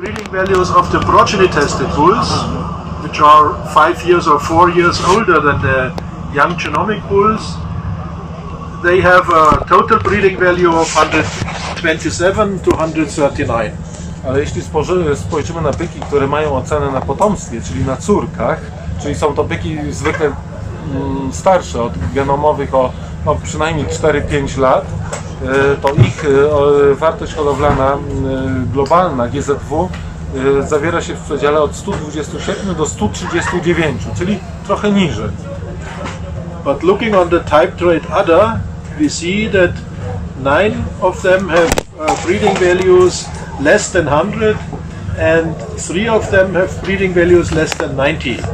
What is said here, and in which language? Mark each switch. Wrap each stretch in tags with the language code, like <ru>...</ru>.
<en>values of the progeny tested bulls, which are 5 years or 4 years older than the young genomic bulls, they have a total breeding value of 127 to 139.</en> <pl>Ale jeśli spojrzymy na byki, które mają ocenę na potomstwie, czyli na córkach, czyli są to byki zwykle starsze od genomowych o no, przynajmniej 4-5 lat, to ich wartość hodowlana globalna GZW zawiera się w przedziale od 127 do 139, czyli trochę niżej.</pl> <en>But looking on the type trait udder, we see that 9 of them have breeding values less than 100 and 3 of them have breeding values less than 90.</en>